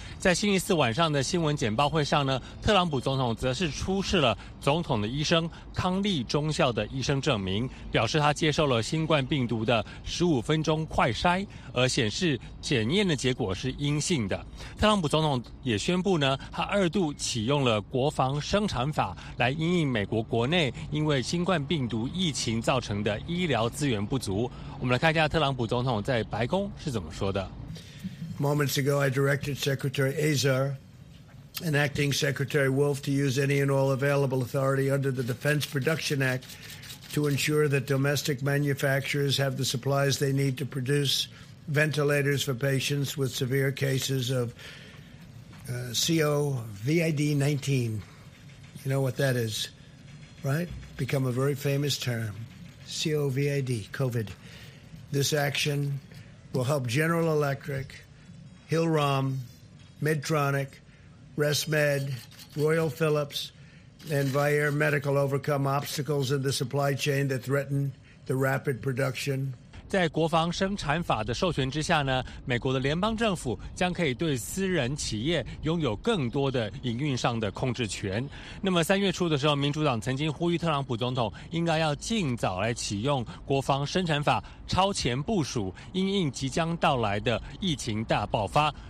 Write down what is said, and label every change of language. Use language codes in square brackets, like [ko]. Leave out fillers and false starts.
[zh] 在星期四晚上的新闻简报会上呢，特朗普总统则是出示了总统的医生康利中校的医生证明，表示他接受了新冠病毒的15分钟快筛，而显示检验的结果是阴性的。特朗普总统也宣布呢，他2度启用了国防生产法来因应美国国内因为新冠病毒疫情造成的医疗资源不足。我们来看一下特朗普总统在白宫是怎么说的。 [en] Moments ago, I directed Secretary Azar and Acting Secretary Wolf to use any and all available authority under the Defense Production Act to ensure that domestic manufacturers have the supplies they need to produce ventilators for patients with severe cases of COVID-19. You know what that is, right? Become a very famous term, COVID, COVID. This action will help General Electric, Hillrom, Medtronic, ResMed, Royal Philips, and Vyaire Medical overcome obstacles in the supply chain that threaten the rapid production. [zh] 在国防生产法的授权之下呢，美国的联邦政府将可以对私人企业拥有更多的营运上的控制权。那么三月初的时候，民主党曾经呼吁特朗普总统应该要尽早来启用国防生产法，超前部署因应即将到来的疫情大爆发。